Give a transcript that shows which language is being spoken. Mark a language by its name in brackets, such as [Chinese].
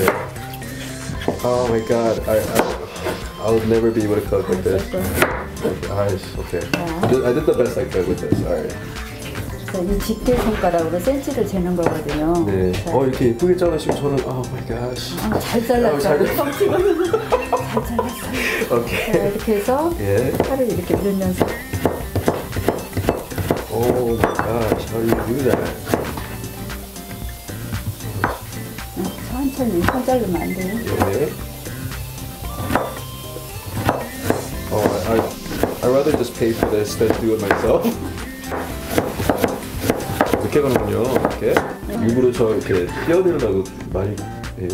[Korean] 네. 네. [English] Oh my God, I would never be able to cook like this. Eyes, okay. I did the best I could with this. All right. [Korean] 이 집게 손가락으로 센치를 재는 거거든요. 네. 자. 어, 이렇게 예쁘게 잘라주시면 저는, [English] oh my gosh. [Korean] 아, 잘 잘랐어요. 잘 잘랐어요. 오케이. 자, 이렇게 해서 예. 칼을 이렇게 누르면서. [English] Oh my gosh, how do you do that? [Korean] 천천히 손 자르면 안 돼요. 예. [English] Oh, I'd rather just pay for this than do it myself. [Korean] 이렇게 가는군요. 이렇게 네. 일부러 저 이렇게 뛰어들려고 많이 예,